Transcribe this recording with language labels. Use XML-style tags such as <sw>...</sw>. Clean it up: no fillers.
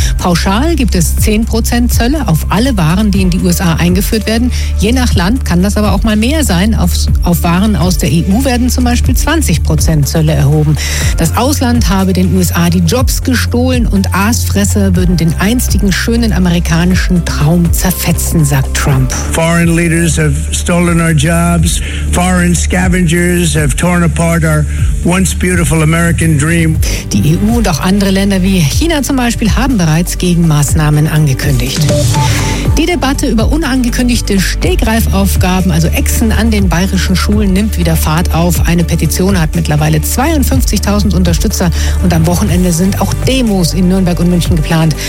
<de>Pauschal gibt es 10% Zölle auf alle Waren, die in die USA eingeführt werden. Je nach Land kann das aber auch mal mehr sein. Auf Waren aus der EU werden zum Beispiel 20% Zölle erhoben. Das Ausland habe den USA die Jobs gestohlen und Aasfresser würden den einstigen schönen amerikanischen Traum zerfetzen, sagt Trump.</de> <en>Foreign leaders have stolen our jobs. Foreign scavengers have torn apart our once beautiful American dream.</en> <de>Die EU und auch andere Länder wie China zum Beispiel haben bereits Gegenmaßnahmen angekündigt. Die Debatte über unangekündigte Stegreifaufgaben, also Echsen an den bayerischen Schulen, nimmt wieder Fahrt auf. Eine Petition hat mittlerweile 52.000 Unterstützer und am Wochenende sind auch Demos in Nürnberg und München geplant.</de>